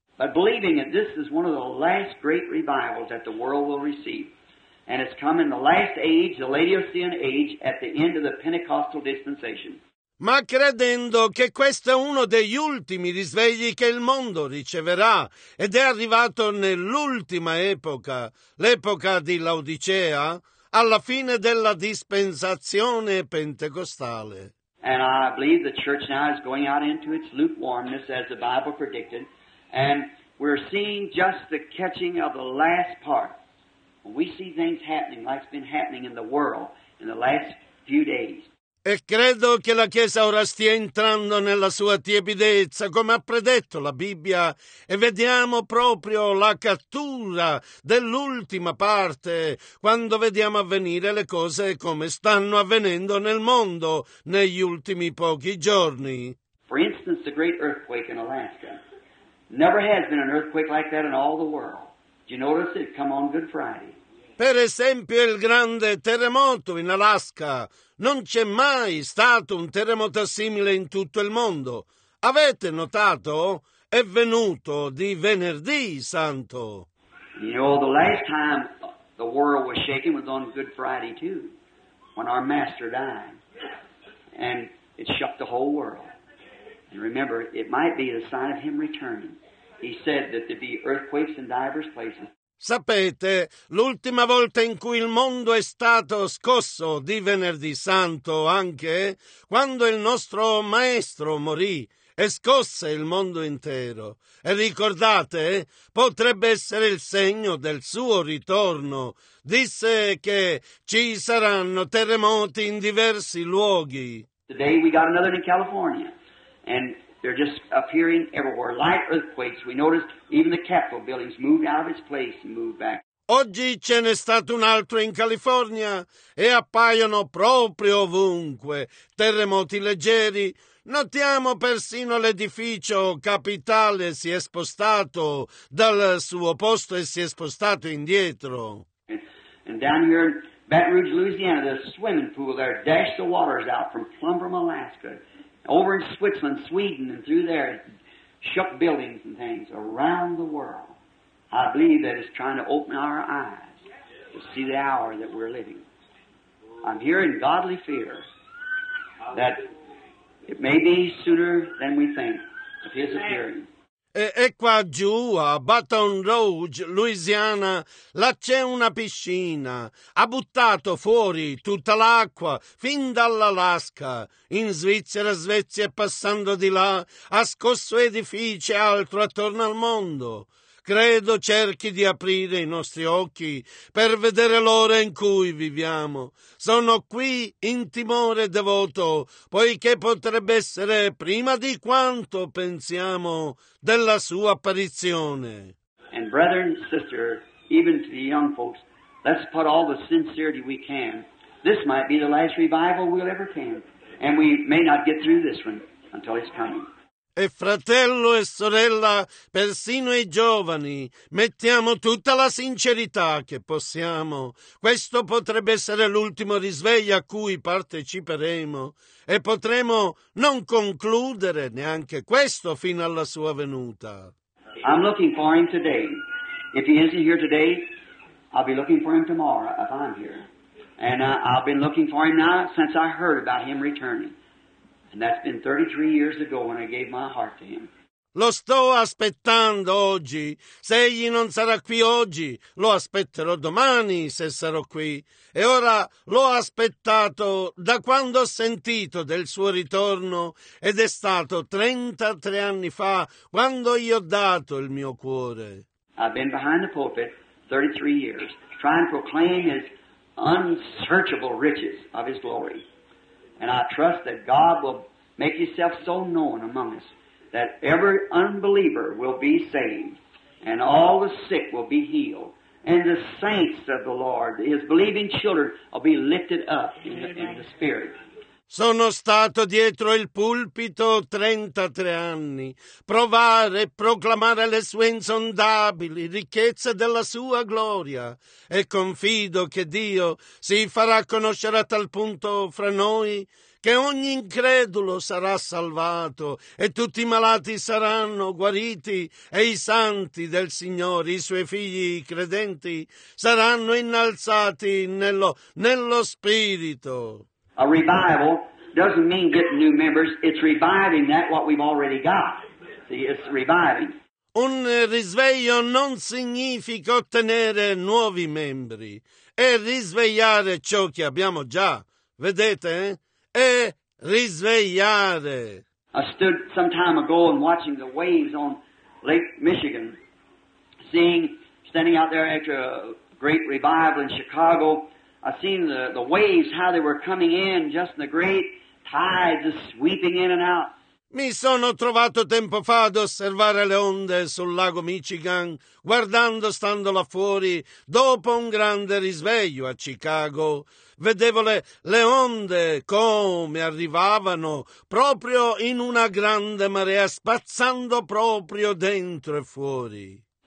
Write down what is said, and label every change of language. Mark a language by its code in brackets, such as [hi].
[en] But believing that this is one of the last great revivals that the world will receive. And it's come in the last age, the Laodicean age, at the end of the Pentecostal dispensation. [it] Ma credendo che questo è uno degli ultimi risvegli che il mondo riceverà ed è arrivato nell'ultima epoca, l'epoca di Laodicea, alla fine della dispensazione pentecostale. [en] And I believe the church now is going out into its lukewarmness as the Bible predicted. And we're seeing just the catching of the last part. We see things happening like it's been happening in the world in the last few days. [it] E credo che la Chiesa ora stia entrando nella sua tiepidezza, come ha predetto la Bibbia, e vediamo proprio la cattura dell'ultima parte, quando vediamo avvenire le cose come stanno avvenendo nel mondo negli ultimi pochi giorni. [en] For instance, the great earthquake in Alaska. Never has been an earthquake like that in all the world. Did you notice it come on Good Friday? [it] Per esempio, il grande terremoto in Alaska. Non c'è mai stato un terremoto simile in tutto il mondo. Avete notato? È venuto di venerdì santo. [en] You know, the last time the world was shaken was on Good Friday too, when our Master died. And it shook the whole world. And remember, it might be the sign of him returning. He said that there'd be earthquakes in diverse places. [it] Sapete, l'ultima volta in cui il mondo è stato scosso di Venerdì Santo anche, quando il nostro maestro morì e scosse il mondo intero. E ricordate, potrebbe essere il segno del suo ritorno. Disse che ci saranno terremoti in diversi luoghi. [en] Today we got another in California, and they're just appearing everywhere, light earthquakes. We noticed even the Capitol buildings moved out of its place and moved back. [it] Oggi ce n'è stato un altro in California e appaiono proprio ovunque terremoti leggeri. Notiamo persino l'edificio capitale si è spostato dal suo posto e si è spostato indietro. [en] And down here in Baton Rouge, Louisiana, the swimming pool there dashed the waters out from Plumbrum, Alaska. Over in Switzerland, Sweden, and through there, shook buildings and things around the world. I believe that it's trying to open our eyes to see the hour that we're living. I'm here in godly fear that it may be sooner than we think of His appearing. [it] E qua giù, a Baton Rouge, Louisiana, là c'è una piscina. Ha buttato fuori tutta l'acqua, fin dall'Alaska. In Svizzera, Svezia, passando di là, ha scosso edifici e altro attorno al mondo. Credo cerchi di aprire i nostri occhi per vedere l'ora in cui viviamo. Sono qui in timore devoto, poiché potrebbe essere prima di quanto pensiamo della sua apparizione. [en] And brother and sister, even to the young folks, let's put all the sincerity we can. This might be the last revival we'll ever can, and we may not get through this one until it's coming. [it] E fratello e sorella, persino i giovani, mettiamo tutta la sincerità che possiamo. Questo potrebbe essere l'ultimo risveglio a cui parteciperemo e potremo non concludere neanche questo fino alla sua venuta. [en] I'm looking for him today. If he isn't here today, I'll be looking for him tomorrow if I'm here. And I've been looking for him now since I heard about him returning. And that's been 33 years ago when I gave my heart to him. [it] Lo sto aspettando oggi. Se egli non sarà qui oggi, lo aspetterò domani se sarò qui. E ora l'ho aspettato da quando ho sentito del suo ritorno ed è stato 33 anni fa quando gli ho dato il mio cuore. [en] I've been behind the pulpit 33 years trying to proclaim his unsearchable riches of his glory. And I trust that God will make Himself so known among us that every unbeliever will be saved, and all the sick will be healed, and the saints of the Lord, His believing children, will be lifted up in the Spirit. [it] Sono stato dietro il pulpito 33 anni, provare e proclamare le sue insondabili ricchezze della sua gloria e confido che Dio si farà conoscere a tal punto fra noi che ogni incredulo sarà salvato e tutti i malati saranno guariti e i santi del Signore, i suoi figli credenti, saranno innalzati nello Spirito. [en] A revival doesn't mean getting new members, it's reviving that what we've already got. See, it's reviving. [it] Un risveglio non significa ottenere nuovi membri, è risvegliare ciò che abbiamo già. Vedete? È risvegliare. [en] I stood some time ago and watching the waves on Lake Michigan, standing out there after a great revival in Chicago. I seen the waves, how they were coming in, just the great tides just sweeping in and out. [it] Mi sono trovato tempo fa ad osservare le onde sul lago Michigan, guardando, stando là fuori, dopo un grande risveglio a Chicago. Vedevo le onde come arrivavano, proprio in una grande marea, spazzando proprio dentro e fuori.